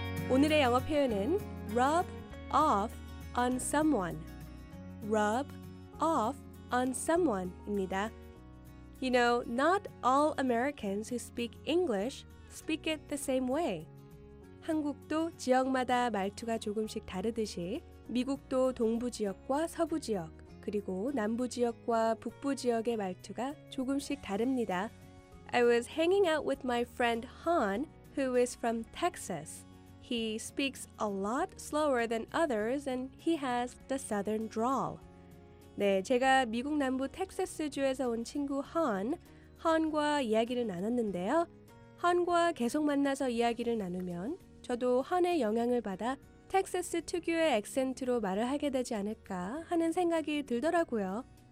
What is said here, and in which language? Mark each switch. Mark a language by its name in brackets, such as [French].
[Korean] 오늘의 영어 표현은 [English] rub off on someone. Rub off on someone입니다. You know, not all Americans who speak English speak it the same way. [Korean] 한국도 지역마다 말투가 조금씩 다르듯이 미국도 동부 지역과 서부 지역 그리고 남부 지역과 북부 지역의 말투가 조금씩 다릅니다. [English] I was hanging out with my friend Han, who is from Texas. He speaks a lot slower than others and he has the southern drawl. [Korean] 네, 제가 미국 남부 텍사스주에서 온 친구 Han과 이야기를 나눴는데요. Han과 계속 만나서 이야기를 나누면 저도 헌의 영향을 받아 텍사스 특유의 액센트로 말을 하게 되지 않을까 하는 생각이 들더라고요.